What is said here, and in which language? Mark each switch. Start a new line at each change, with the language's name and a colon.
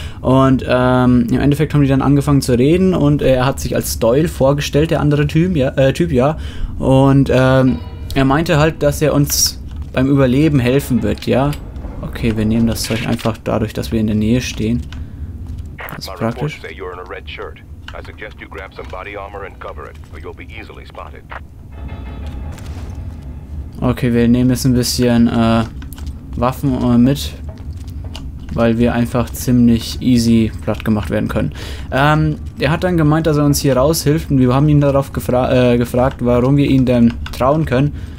German: Und im Endeffekt haben die dann angefangen zu reden und er hat sich als Doyle vorgestellt, der andere Typ, ja. Und er meinte halt, dass er uns beim Überleben helfen wird, ja. Okay, wir nehmen das Zeug einfach dadurch, dass wir in der Nähe stehen. Das ist praktisch.
English: I suggest you grab some body armor and cover it, or you'll be easily spotted.
German: Okay, wir nehmen jetzt ein bisschen Waffen mit, weil wir einfach ziemlich easy platt gemacht werden können. Er hat dann gemeint, dass er uns hier raushilft und wir haben ihn darauf gefragt, warum wir ihm denn trauen können.